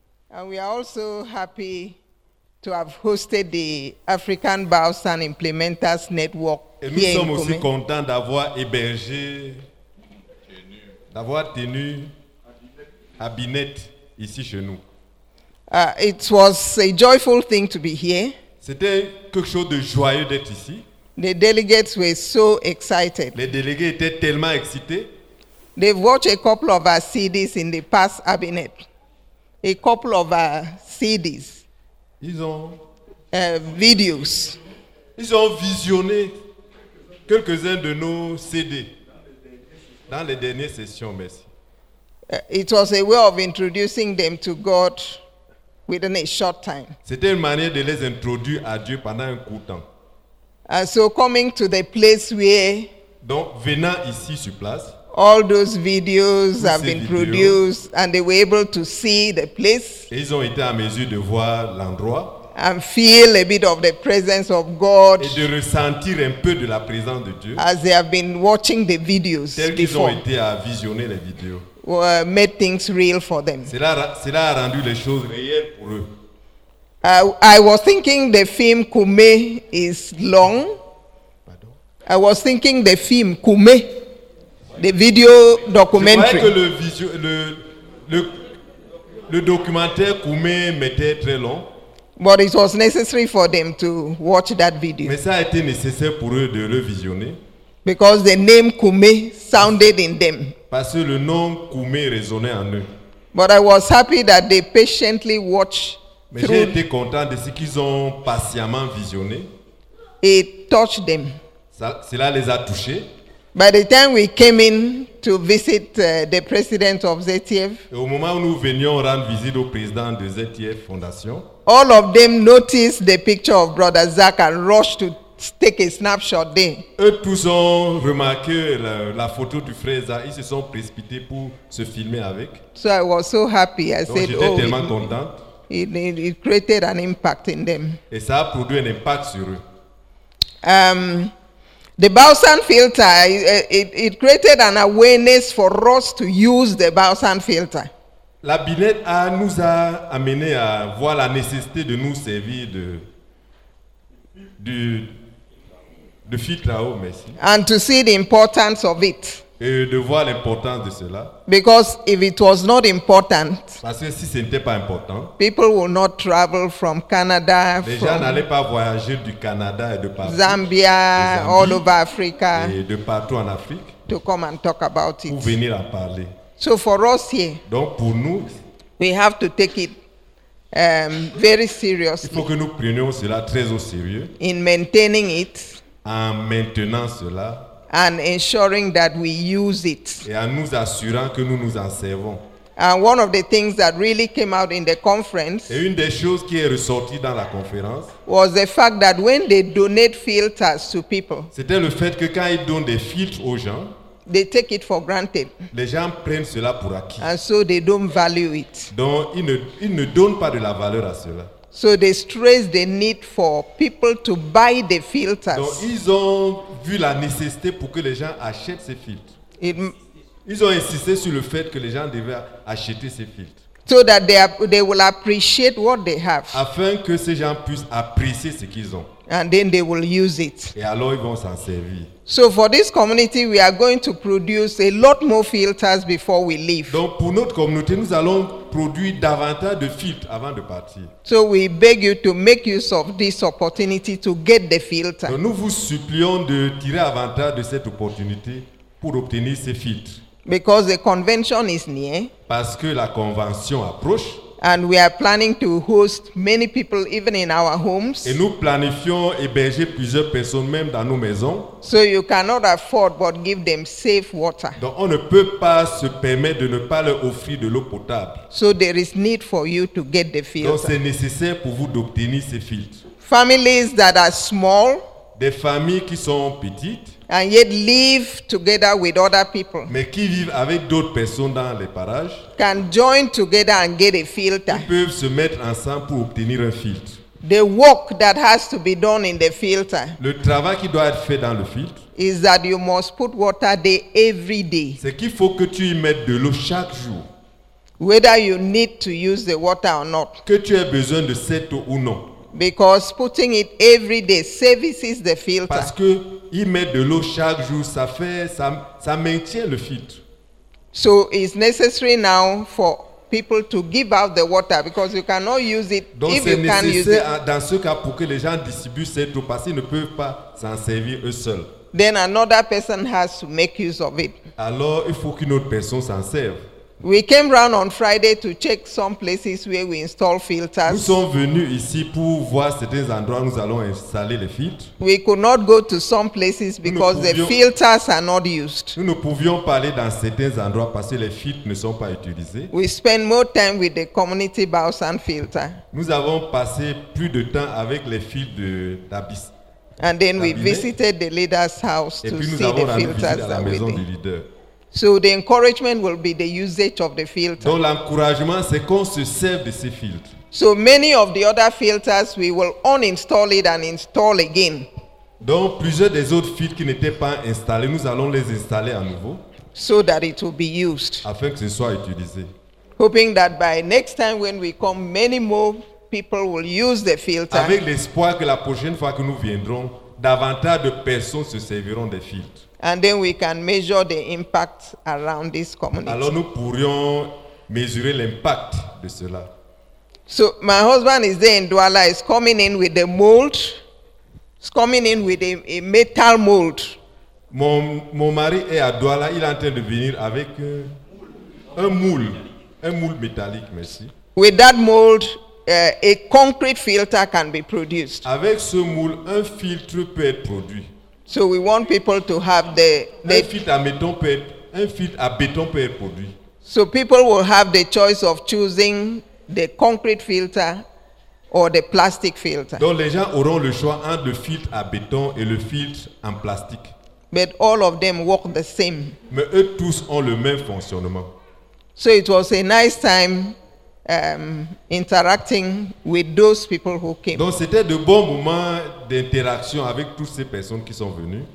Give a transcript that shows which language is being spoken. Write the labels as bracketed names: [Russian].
[English] And we are also happy to have hosted the African Biosand Implementers Network. [French] Et nous sommes aussi contents d'avoir hébergé, d'avoir tenu Abinet ici chez nous. [English] It was a joyful thing to be here. [French] C'était quelque chose de joyeux d'être ici. [English] The delegates were so excited. [French] Les délégués étaient tellement excités. [English] They've watched a couple of our CDs in the past Abinet. A couple of our CDs. [French] Ils ont [English] videos. [French] Ils ont visionné quelques-uns de nos CD dans les dernières sessions, merci. [English] It was a way of introducing them to God within a short time. [French] C'était une manière de les introduire à Dieu pendant un court temps. [English] So coming to the place where [French] donc venant ici sur place, [English] all those videos have been produced and they were able to see the place. [French] Et ils ont été en mesure de voir l'endroit. [English] And feel a bit of the presence of God. [French] Et de ressentir un peu de la présence de Dieu. [English] As they have been watching the videos [French] tels qu'ils ont été à visionner les vidéos. [English] Made things real for them. [French] Cela a rendu les choses réelles pour eux. [English] I was thinking the film Kume is long. Pardon? I was thinking the film Kume, the video documentary. [French] Je crois que le documentaire Kume m'était très long. [English] But it was necessary for them to watch that video. [French] Mais ça a été nécessaire pour eux de le visionner. [English] Because the name Kume sounded in them. [French] Parce que le nom Kume résonnait en eux. [English] But I was happy that they patiently watched. [French] Mais j'ai été content de ce qu'ils ont patiemment visionné. [English] It touched them. [French] Cela les a touchés. [English] By the time we came in to visit the president of ZTF, [French] et au moment où nous venions rendre visite au président de ZTF Foundation, [English] all of them noticed the picture of Brother Zach and rushed to take a snapshot there. [French] Eux tous ont remarqué la photo du frère Zach. Ils se sont précipités pour se filmer avec. [English] So I was so happy. [French] J'étais tellement content. [English] It created an impact in them. [French] Et ça a produit un impact sur eux. [English] The Biosand filter, it created an awareness for us to use the Biosand filter. [French] La binette nous a amené à voir la nécessité de nous servir de filtre à eau, merci. [English] And to see the importance of it. [French] Et de voir l'importance de cela. [English] Because if it was not important, [French] parce que si ce n'était pas important, [English] people will not travel from Canada, [French] les gens n'allaient pas voyager du Canada et de partout, [English] Zambia, Zambie, all over Africa, [French] et de partout en Afrique, [English] to come and talk about it, [French] pour venir en parler. [English] So for us here, [French] donc pour nous, [English] we have to take it very seriously. [French] Il faut que nous prenions cela très au sérieux. [English] In maintaining it, [French] en maintenant cela, [English] and ensuring that we use it. [French] Et en nous assurant que nous nous en servons. [English] And one of the things that really came out in the conference, [French] et une des choses qui est ressortie dans la conférence, [English] was the fact that when they donate filters to people, [French] c'était le fait que quand ils donnent des filtres aux gens, [English] they take it for granted. [French] Les gens prennent cela pour acquis. [English] And so they don't value it. [French] Donc ils ne donnent pas de la valeur à cela. [English] So they stress the need for people to buy the filters. [French] Donc ils ont vu la nécessité pour que les gens achètent ces filtres. Ils ont insisté sur le fait que les gens devaient acheter ces filtres. [English] So that they will appreciate what they have. [French] Afin que ces gens puissent apprécier ce qu'ils ont. [English] And then they will use it. [French] Et alors ils vont s'en servir. [English] So for this community, we are going to produce a lot more filters before we leave. [French] Donc pour notre communauté, nous allons produire davantage de filtres avant de partir. [English] So we beg you to make use of this opportunity to get the filter. [French] Donc nous vous supplions de tirer avantage de cette opportunité pour obtenir ces filtres. [English] Because the convention is near. [French] Parce que la convention approche. [English] And we are planning to host many people even in our homes. [French] Et nous planifions héberger plusieurs personnes même dans nos maisons. [English] So you cannot afford but give them safe water. [French] Donc on ne peut pas se permettre de ne pas leur offrir de l'eau potable. [English] So there is need for you to get the filter. [French] Donc c'est nécessaire pour vous d'obtenir ces filtres. [English] Families that are small. [French] Des familles qui sont petites. [English] And yet live together with other people. [French] Mais qui vivent avec d'autres personnes dans les parages. [English] Can join together and get a filter. [French] Ils peuvent se mettre ensemble pour obtenir un filtre. [English] The work that has to be done in the filter. [French] Le travail qui doit être fait dans le filtre. [English] Is that you must put water there every day. [French] C'est qu'il faut que tu y mettes de l'eau chaque jour. [English] Whether you need to use the water or not. [French] Que tu aies besoin de cette eau ou non. [English] Because putting it every day services the filter. [French] Parce que y mettre de l'eau chaque jour, ça maintient le filtre. [English] So it's necessary now for people to give out the water because you cannot use it. [French] Donc [English] if you can use it. [French] Donc c'est dans ce cas pour que les gens distribuent cette eau parce qu'ils ne peuvent pas s'en servir eux seuls. [English] Then another person has to make use of it. [French] Alors il faut qu'une autre personne s'en serve. [English] We came round on Friday to check some places where we install filters. [French] Nous sommes venus ici pour voir certains endroits où nous allons installer les filtres. [English] We could not go to some places because the filters are not used. [French] Nous ne pouvions pas aller dans certains endroits parce que les filtres ne sont pas utilisés. [English] We spent more time with the community Bausan filter. [French] Nous avons passé plus de temps avec les filtres de Tabis. [English] And then we visited the leader's house to see the filters that we did. So the encouragement will be the usage of the filter. [French] Donc l'encouragement c'est qu'on se serve de ces filtres. [English] So many of the other filters we will uninstall it and install again. [French] Donc plusieurs des autres filtres qui n'étaient pas installés, nous allons les installer à nouveau. [English] So that it will be used. [French] Afin que ce soit utilisé. [English] Hoping that by next time when we come, many more people will use the filter. [French] Avec l'espoir que la prochaine fois que nous viendrons, davantage de personnes se serviront des filtres. [English] And then we can measure the impact around this community. [French] Alors nous pourrions mesurer l'impact de cela. [English] So my husband is there in Douala, he's coming in with a mold. He's coming in with a metal mold. [French] Mon mari est à Douala, il est en train de venir avec un moule métallique, merci. [English] With that mold, a concrete filter can be produced. [French] Avec ce moule, un filtre peut être produit. [English] So we want people to have [French] un filtre à béton peut être produit. [English] So people will have the choice of choosing the concrete filter or the plastic filter. [French] Donc les gens auront le choix entre le filtre à béton et le filtre en plastique. [English] But all of them work the same. [French] Mais eux tous ont le même fonctionnement. [English] So it was a nice time interacting with those people who came. [French] Donc c'était de bons moments d'interaction avec toutes ces personnes qui sont venues.